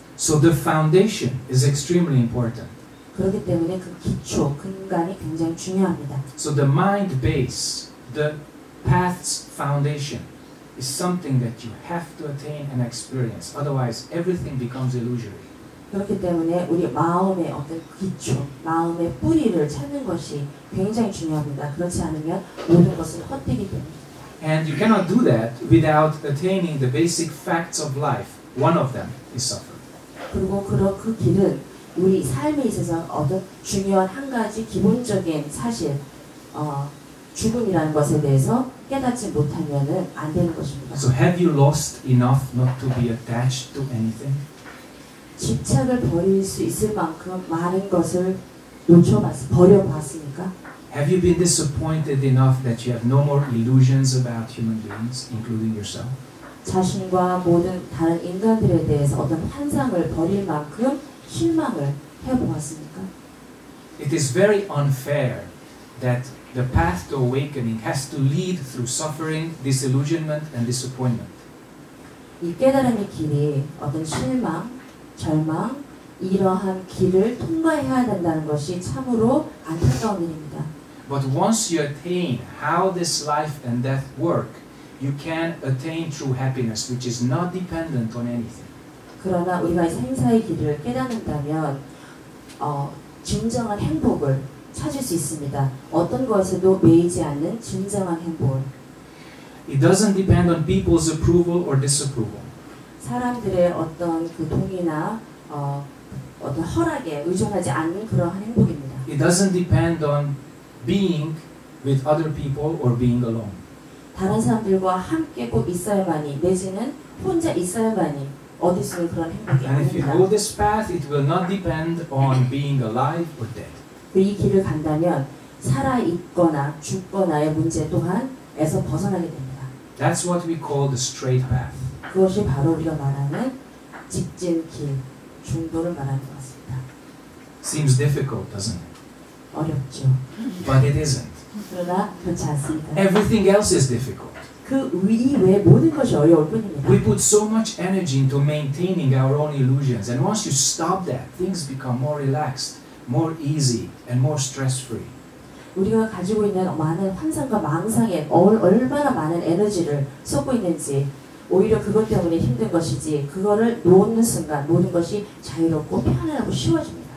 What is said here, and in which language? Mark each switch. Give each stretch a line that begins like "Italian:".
English: So the foundation is extremely important.
Korean: 그렇기 때문에 그 기초, 근간이 굉장히 중요합니다.
English: So the mind base, the path's foundation is something that you have to attain and experience. Otherwise, everything becomes illusory.
Korean: 그렇기 때문에 우리 마음의 어떤 기초, 마음의 뿌리를 찾는 것이 굉장히 중요합니다. 그렇지 않으면 모든 것은 헛되기 때문에.
English: And you cannot do that without attaining the basic facts of life. One of them is suffering.
Korean: 그리고 그 길은 우리 삶에 있어서 어떤 중요한 한 가지 기본적인 사실, 죽음이라는 것에 대해서 깨닫지 못하면은 안 되는 것입니다.
English: So have you lost enough not to be attached to anything?
Korean: 집착을 버릴 수 있을 만큼 많은 것을 버려봤습니까?
English: Have you been disappointed enough that you have no more illusions about human beings, including yourself?
Korean: 자신과 모든 다른 인간들에 대해서 어떤 환상을 버릴 만큼 실망을 해보았습니까?
English: It is very unfair that the path to awakening has to lead through suffering, disillusionment, and disappointment.
Korean: 이 깨달음의 길이 어떤 실망, 절망 이러한 길을 통과해야 한다는 것이 참으로 안타까운 일입니다.
English: But once you attain how this life and death work, you can attain true happiness, which is not dependent on anything.
Korean: 그러나 우리가 생사의 길을 깨닫는다면 진정한 행복을 찾을 수 있습니다. 어떤 것에도 매이지 않는 진정한 행복을.
English: It doesn't depend on people's approval or disapproval.
Korean: 사람들의 어떤 그 동의나 어떤 허락에 의존하지 않는 그러한 행복입니다.
English: It doesn't depend on being with other people or being alone.
Korean: 다른 사람들과 함께 꼭 있어야만이 내지는 혼자 있어야만이 얻을 수 있는 그런 행복이 아닙니다.
English: And if you go this path, it will not depend on being alive or dead.
Korean: 그 이 길을 간다면 살아 있거나 죽거나의 문제 또한에서 벗어나게 됩니다.
English: That's what we call the straight path.
Korean: 그것이 바로 우리가 말하는 직진 길, 중도를 말하는 것 같습니다.
English: Seems difficult, doesn't it?
Korean: 어렵죠.
English: But it isn't.
Korean: 그러나 그렇지 않습니다.
English: Everything else is difficult.
Korean: 그 위에 모든 것이 어려울 뿐입니다.
English: We put so much energy into maintaining our own illusions, and once you stop that, things become more relaxed, more easy, and more stress-free.
Korean: 우리가 가지고 있는 많은 환상과 망상에 얼마나 많은 에너지를 쏟고 있는지 오히려 그것 때문에 힘든 것이지 그거를 놓는 순간 모든 것이 자유롭고 편안하고 쉬워집니다.